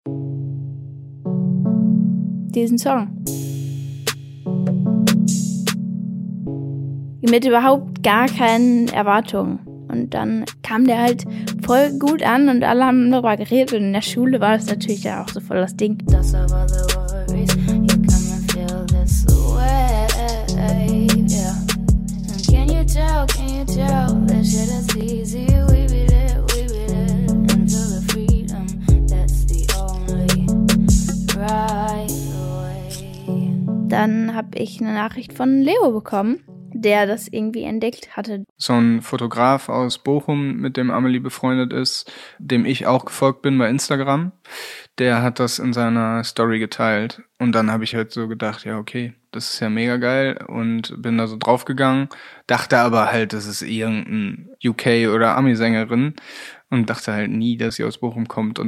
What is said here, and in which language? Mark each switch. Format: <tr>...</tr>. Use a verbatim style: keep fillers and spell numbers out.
<de>Diesen Song. Mit überhaupt gar keinen Erwartungen. Und dann kam der halt voll gut an und alle haben darüber geredet. Und in der Schule war das natürlich ja auch so voll das Ding. Das aber</de> <en>the worries, you come and feel this way, yeah. And can you tell, can you tell, this shit is easy, we be there, we be there. And feel the freedom, that's the only right way.</en> <de>Dann habe ich eine Nachricht von Leo bekommen, der das irgendwie entdeckt hatte. So ein Fotograf aus Bochum, mit dem Amelie befreundet ist, dem ich auch gefolgt bin bei Instagram, der hat das in seiner Story geteilt. Und dann habe ich halt so gedacht, ja okay, das ist ja mega geil und bin da so draufgegangen, dachte aber halt, das ist irgendein U K- oder Ami-Sängerin und dachte halt nie, dass sie aus Bochum kommt.</de>